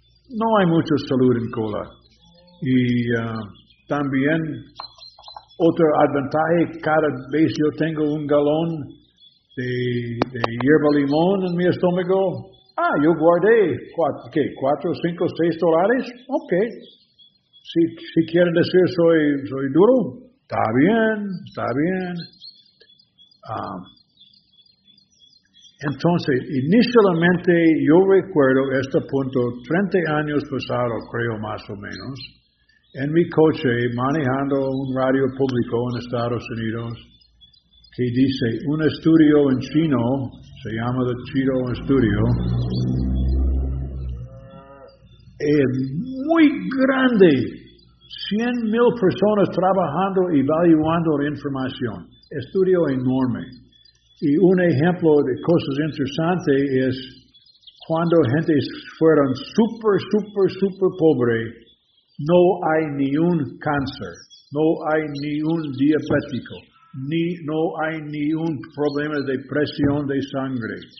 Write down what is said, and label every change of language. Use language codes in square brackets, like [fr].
[es] No hay mucha salud en cola. Y también otro ventaja, cada vez yo tengo un galón de hierba limón en mi estómago, [pt] Ah, eu guardei $4, $5, $6. Ok. Se quer dizer sou duro, está bem, está bem. Então, inicialmente, eu recuerdo este ponto, 30 anos passado, creio mais ou menos, em meu coche, manejando rádio público nos Estados Unidos, que diz, estúdio em chino, se chama The Chino Studio, é muito grande, 100 mil pessoas trabalhando e evaluando a informação, estúdio enorme. [es] Y un ejemplo de cosas interesantes es cuando gente fueron super, super, super pobre, no hay ni un cáncer, no hay ni un diabético, no hay ni un problema de presión de sangre.